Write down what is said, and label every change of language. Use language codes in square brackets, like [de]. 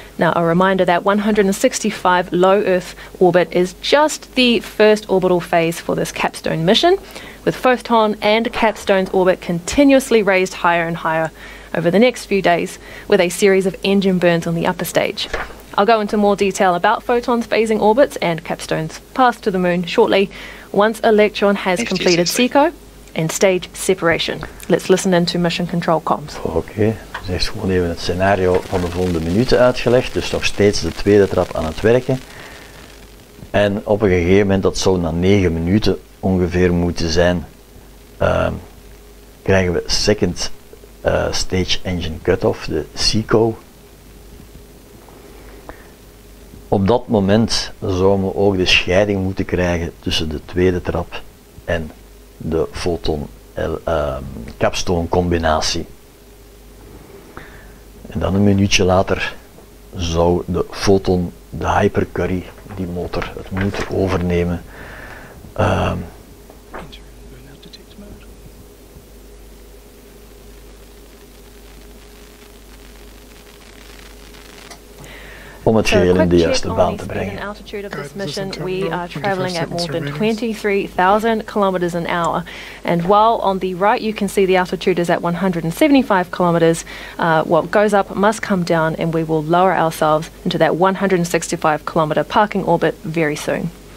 [en] Now, a reminder that 165 low Earth orbit is just the first orbital phase for this capstone mission, with Photon and Capstone's orbit continuously raised higher and higher over the next few days with a series of engine burns on the upper stage. I'll go into more detail about Photon's phasing orbits and Capstone's path to the moon shortly once Electron has completed SECO and stage separation. Let's listen into mission control comms. [nl] Okay, ze heeft gewoon even het scenario van de volgende minuten uitgelegd, dus nog steeds de tweede trap aan het werken. En op een gegeven moment, dat zou na 9 minuten ongeveer moeten zijn, krijgen we [en] second stage engine cutoff, [nl] de SECO. Op dat moment zouden we ook de scheiding moeten krijgen tussen de tweede trap en de Photon-Capstone combinatie. En dan een minuutje later zou de Photon, de Hypercurie, die motor, het moeten overnemen. Om het geheel in de juiste baan te brengen. [en] At altitude of this mission, we are traveling at more than 23,000 kilometers an hour. And while on the right you can see the altitude is at 175 kilometers, what goes up must come down, and we will lower ourselves into that 165 kilometer parking orbit very soon.